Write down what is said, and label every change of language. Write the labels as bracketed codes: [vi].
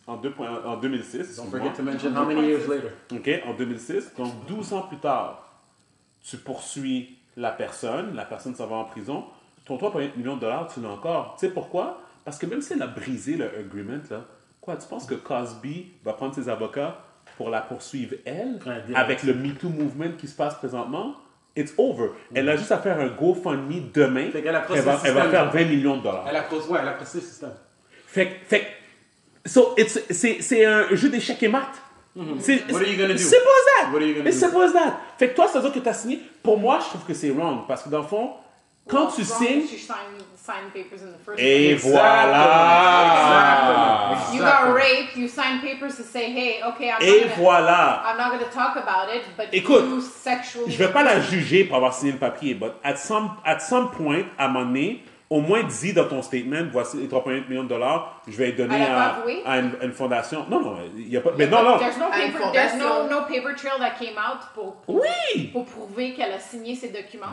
[en] Don't forget to mention how many years later. [fr] OK, en 2006. Donc, 12 ans plus tard, tu poursuis la personne s'en va en prison. Ton 3,8 millions de dollars, tu l'as encore. Tu sais pourquoi? Parce que même si elle a brisé le agreement, là, quoi, tu penses que Cosby va prendre ses avocats pour la poursuivre, elle, avec le MeToo movement qui se passe présentement? [en] It's over. [fr] Mm-hmm. Elle a juste à faire un GoFundMe demain. Fait qu'elle a procédé le système. Elle va faire 20 millions de dollars. Elle a procédé le système. Fait que... So, c'est un jeu d'échecs et maths. [en] Mm-hmm. What are you gonna do? Suppose that. What are you gonna do? Suppose that. [fr] Fait que toi, ça veut dire que t'as signé. Pour moi, je trouve que c'est wrong. Parce que dans le fond, quand tu signes... [en] You got raped, you signed papers to say, hey, okay, I'm not going to talk about it, but [fr] écoute, [en] you sexually... [fr] Je ne vais pas la juger pour avoir signé le papier, [en] but at some point, [fr] à un moment donné, au moins dis dans ton statement, voici les 3,8 millions de dollars, je vais donner à une fondation. Non, non, il n'y a pas... Mais non. [en] There's no paper trail that came out [fr] pour prouver qu'elle a signé ces documents.